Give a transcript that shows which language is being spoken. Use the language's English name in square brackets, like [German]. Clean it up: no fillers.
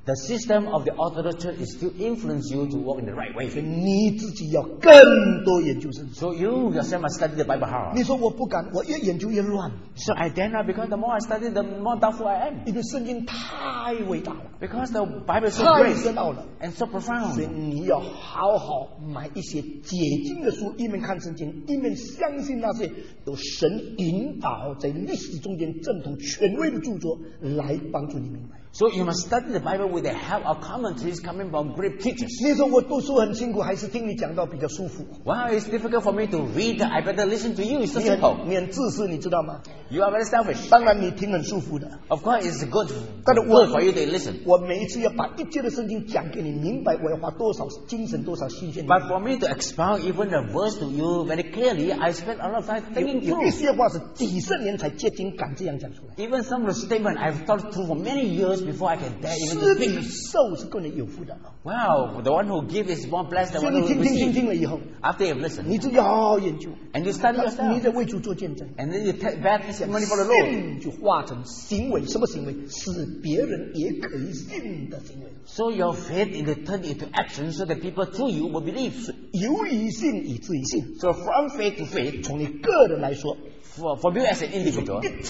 [English] The system of the Orthodox Church is still influencing you to walk in the right way. [Chinese] 你自己要更多研究圣经。 [English] So you yourself must study the Bible hard. [Chinese] 你说我不敢, 我越研究越乱。 [English] So I dare not, because the more I study, the more doubtful I am. [Chinese] 因为圣经太伟大了。 [English] Because the Bible is so great. [Chinese] 太深奥了。 [English] And so profound. [Chinese] 所以你要好好买一些解经的书, 一面看圣经, 一面相信那些有神引导在历史中间正统权威的著作, 来帮助你明白。 [English] So you must study the Bible with the help of commentaries coming from great teachers. [Chinese] 你说我读书很辛苦, 还是听你讲到比较舒服。 [English] Wow, it's difficult for me to read, I better listen to you, it's so simple. [Chinese] 你很自私, 你知道吗? [English] You are very selfish. [Chinese] 当然你听很舒服的。 [English] Of course it's good, [Chinese] 但是我, [English] good for you to listen. [Chinese] 我每一次要把一节的圣经讲给你, 明白, 我要花多少精神, 多少心血。 [English] But for me to expound even the verse to you very clearly, I spend a lot of time thinking through. [Chinese] 有一些话是几十年才接近感这样讲出来。 [English] Even some of the statements I've thought through for many years before I can dare even to speak. Wow, the one who gives is more blessed than the one who receives. After you have listened, [Chinese] 你自己好好研究, [English] and you study yourself, [Chinese] 你在为主做见证, [English] and then you take bad testimony for the Lord, [Chinese] 信就化成行为, 什么行为?使别人也可以信的行为。 [English] So your faith is turned into action so that people through you will believe. [Chinese] 由于信以至于信, [English] so from faith to faith, [Chinese] 从你个人来说, [English] for you as an individual,